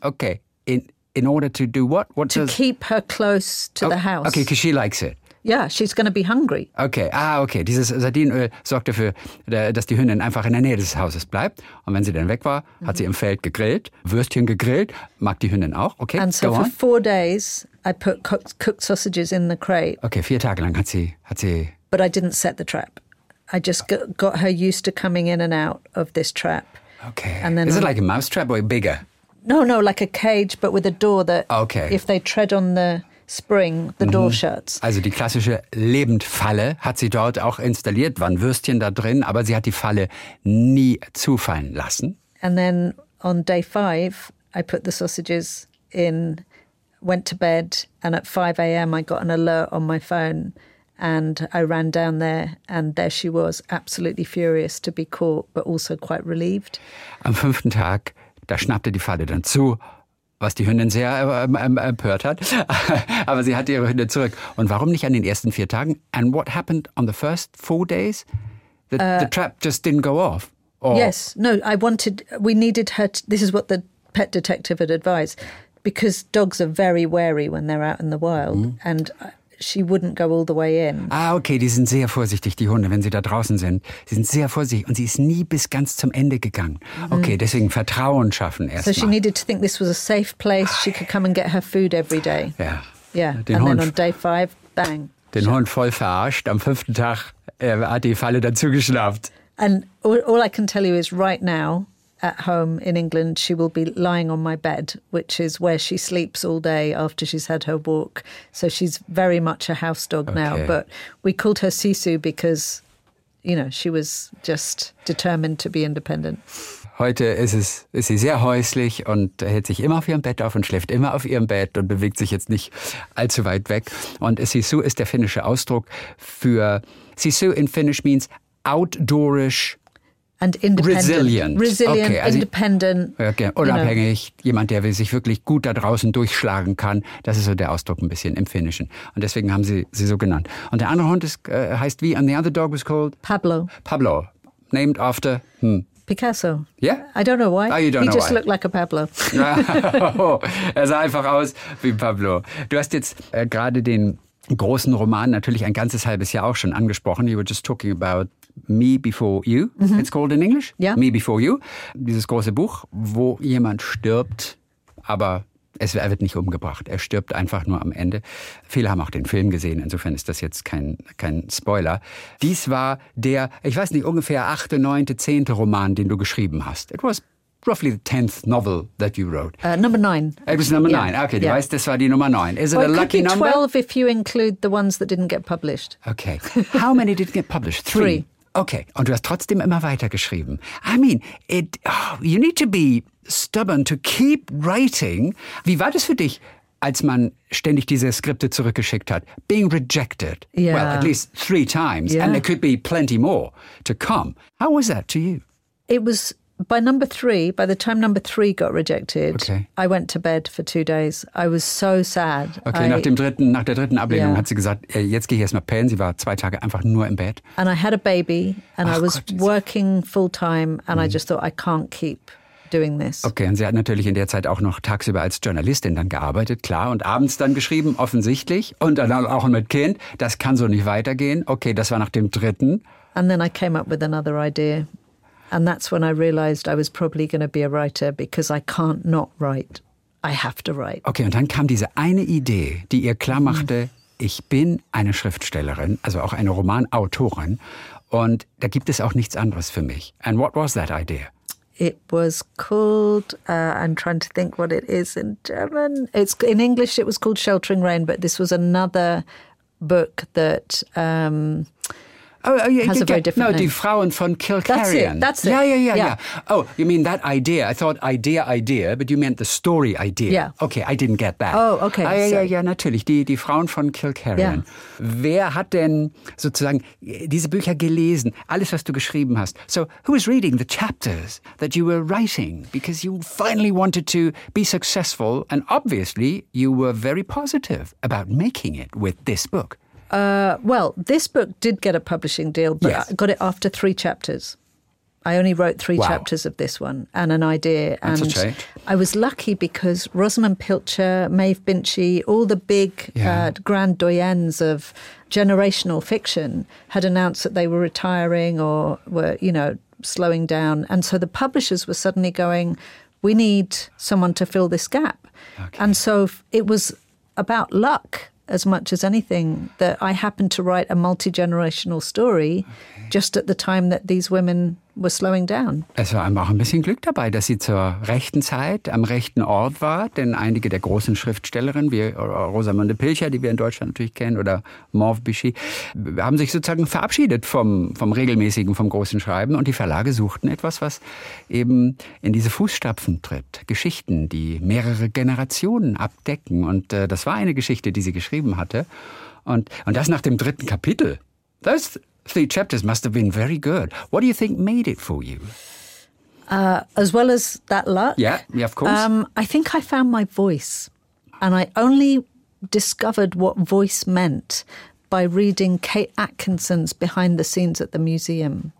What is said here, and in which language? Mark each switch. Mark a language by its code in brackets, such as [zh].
[en] Okay, in order to do what? What to does... keep her close to the house. Okay, because she likes it. Yeah, she's going to be hungry. Okay, okay. [de] Dieses Sardinenöl sorgt dafür, dass die Hündin einfach in der Nähe des Hauses bleibt. Und wenn sie dann weg war, hat sie im Feld gegrillt, Würstchen gegrillt, mag die Hündin auch. [en] Okay, and so go for on. 4 days, I put cooked sausages in the crate. [de] Okay, 4 Tage lang hat sie... [en] But I didn't set the trap. I just got her used to coming in and out of this trap. Okay. And then Is it like a mouse trap or bigger? No, like a cage, but with a door that okay. if they tread on the... spring, the door shuts. [de] Also die klassische Lebendfalle hat sie dort auch installiert, waren Würstchen da drin, aber sie hat die Falle nie zufallen lassen. [en] And then on day 5, I put the sausages in, went to bed, and at 5 a.m. I got an alert on my phone and I ran down there and there she was, absolutely furious to be caught, but also quite relieved. [de] Am 5. Tag, da schnappte die Falle dann zu, was die Hündin sehr empört hat. Aber sie hatte ihre Hündin zurück. Und warum nicht an den ersten 4 Tagen? [en] And what happened on the first 4 days? The trap just didn't go off? Or? Yes. No, we needed her to, this is what the pet detective had advised. Because dogs are very wary when they're out in the wild. Mm-hmm. And she wouldn't go all the way in. [de] Okay, die sind sehr vorsichtig, die Hunde, wenn sie da draußen sind. Sie sind sehr vorsichtig und sie ist nie bis ganz zum Ende gegangen. Okay, deswegen Vertrauen schaffen erst [en] mal. So she needed to think this was a safe place. She could come and get her food every day. Yeah. Yeah, den and Hund, then on day 5, bang. [de] Den Hund voll verarscht. Am 5. Tag hat die Falle dazu geschnappt. [en] And all I can tell you is right now, at home in England, she will be lying on my bed, which is where she sleeps all day after she's had her walk. So she's very much a house dog now. But we called her Sisu because, you know, she was just determined to be independent. [de] Heute ist sie sehr häuslich und hält sich immer auf ihrem Bett auf und schläft immer auf ihrem Bett und bewegt sich jetzt nicht allzu weit weg. Und Sisu ist der finnische Ausdruck für [en] Sisu in Finnish means outdoorish and independent. Resilient. Resilient, okay, also independent. Okay, unabhängig, you know. [de] Jemand, der sich wirklich gut da draußen durchschlagen kann. Das ist so der Ausdruck ein bisschen im Finnischen. Und deswegen haben sie sie so genannt. Und der andere Hund ist, heißt wie? [en] And the other dog was called? Pablo. Pablo. Named after? Picasso. Yeah? I don't know why. Oh, you don't he know just why. Looked like a Pablo. [de] Er sah einfach aus wie Pablo. Du hast jetzt gerade den großen Roman natürlich ein ganzes halbes Jahr auch schon angesprochen. [en] You were just talking about Me Before You, it's called in English. Yeah. [de] Me Before You, dieses große Buch, wo jemand stirbt, aber er wird nicht umgebracht. Er stirbt einfach nur am Ende. Viele haben auch den Film gesehen, insofern ist das jetzt kein Spoiler. Dies war der, ich weiß nicht, ungefähr 8., 9., 10. Roman, den du geschrieben hast. [en] It was roughly the 10th novel that you wrote. Number 9. It was number 9. Okay, [de] du weißt, das war die Nummer 9. [en] Is it well, a lucky number? It could be 12 if you include the ones that didn't get published. Okay. How many didn't get published? 3. [de] Okay, und du hast trotzdem immer weitergeschrieben. [en] I mean, you need to be stubborn to keep writing. [de] Wie war das für dich, als man ständig diese Skripte zurückgeschickt hat? [en] Being rejected. Yeah. Well, at least 3 times. Yeah. And there could be plenty more to come. How was that to you? It was by the time number 3 got rejected, I went to bed for 2 days. I was so sad. [de] Okay, nach der dritten Ablehnung hat sie gesagt, jetzt gehe ich erstmal pennen. Sie war 2 Tage einfach nur im Bett. [en] And I had a baby and I was working full time and I just thought, I can't keep doing this. [de] Okay, und sie hat natürlich in der Zeit auch noch tagsüber als Journalistin dann gearbeitet, klar, und abends dann geschrieben, offensichtlich, und dann auch mit Kind. Das kann so nicht weitergehen. Okay, das war nach dem dritten. [en] And then I came up with another idea. And that's when I realized I was probably going to be a writer because I can't not write. I have to write. [de] Okay, und dann kam diese eine Idee, die ihr klar machte, ich bin eine Schriftstellerin, also auch eine Romanautorin, und da gibt es auch nichts anderes für mich. [en] And what was that idea? It was called, I'm trying to think what it is in German. It's in English, it was called Sheltering Rain, but this was another book that... No, Die Frauen von Kilcarion. That's it. Yeah. Oh, you mean that idea. I thought idea, but you meant the story idea. Yeah. Okay, I didn't get that. Oh, okay. [de] Natürlich. Die Frauen von Kilcarion. [en] Yeah. [de] Wer hat denn sozusagen diese Bücher gelesen, alles, was du geschrieben hast? [en] So, who was reading the chapters that you were writing? Because you finally wanted to be successful, and obviously you were very positive about making it with this book. Well, this book did get a publishing deal, but I got it after 3 chapters. I only wrote 3 chapters of this one and an idea. And I was lucky because Rosamund Pilcher, Maeve Binchy, all the big grand doyens of generational fiction had announced that they were retiring or were, you know, slowing down. And so the publishers were suddenly going, we need someone to fill this gap. Okay. And so it was about luck. As much as anything, that I happened to write a multi-generational story just at the time that these women were slowing down. [de] Es war einfach auch ein bisschen Glück dabei, dass sie zur rechten Zeit am rechten Ort war, denn einige der großen Schriftstellerinnen, wie Rosamunde Pilcher, die wir in Deutschland natürlich kennen, oder Maeve Binchy, haben sich sozusagen verabschiedet vom regelmäßigen, vom großen Schreiben, und die Verlage suchten etwas, was eben in diese Fußstapfen tritt. Geschichten, die mehrere Generationen abdecken, und das war eine Geschichte, die sie geschrieben hatte. Und das nach dem dritten Kapitel. Das [en] 3 chapters must have been very good. What do you think made it for you? As well as that luck? Yeah, of course. I think I found my voice. And I only discovered what voice meant by reading Kate Atkinson's Behind the Scenes at the Museum.